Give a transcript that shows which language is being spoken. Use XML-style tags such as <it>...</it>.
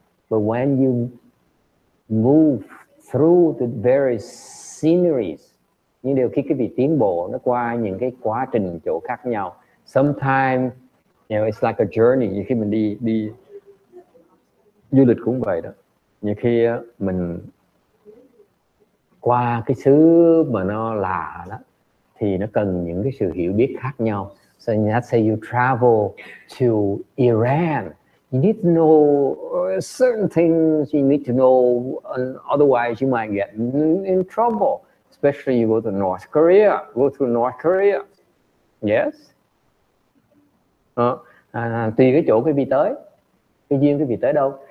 <en>But when you move through the various sceneries,</en> <vi>nhưng đều khi cái việc tiến bộ nó qua những cái quá trình chỗ khác nhau.</vi> <en>Sometimes, you know, it's like a journey,</en> <vi>như khi mình đi du lịch cũng vậy đó. Như khi mình qua cái xứ mà nó lạ đó thì nó cần những cái sự hiểu biết khác nhau.</vi> <en>So let's say you travel to Iran, you need to know certain things, you need to know, and otherwise you might get in trouble. Especially you go to North Korea, go to North Korea. Yes?</en> <vi>Tùy cái chỗ quý vị tới, cái duyên quý vị tới đâu.</vi>